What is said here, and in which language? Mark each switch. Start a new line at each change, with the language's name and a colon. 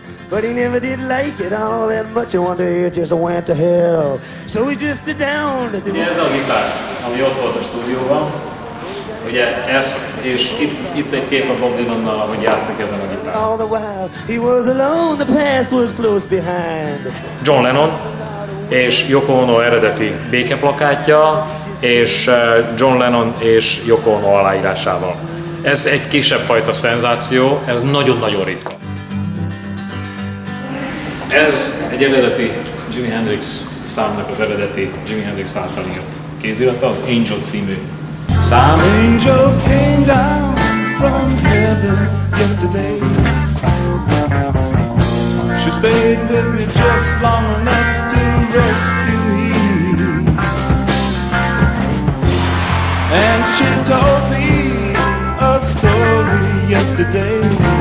English: But he never did like it all that much. I wonder if he just went to hell. So he drifted down to the...
Hungarian: Ugye ez a gitár, ami ott volt a stúdióban. Ugye ez, és itt egy kép a Bob Dylannal, ahogy játszik ezen a gitár.
English: All the while he was alone, the past was close behind.
Hungarian: John Lennon és Yoko Ono eredeti békeplakátja, és John Lennon és Yoko Ono aláírásával. Ez egy kisebb fajta szenzáció, ez nagyon-nagyon ritka. Ez egy eredeti Jimi Hendrix számnak az eredeti Jimi Hendrix által írt kézirata, az Angel című szám.
English: Angel came down from heaven yesterday. She stayed with me just long enough to rescue me. And she told me a story yesterday.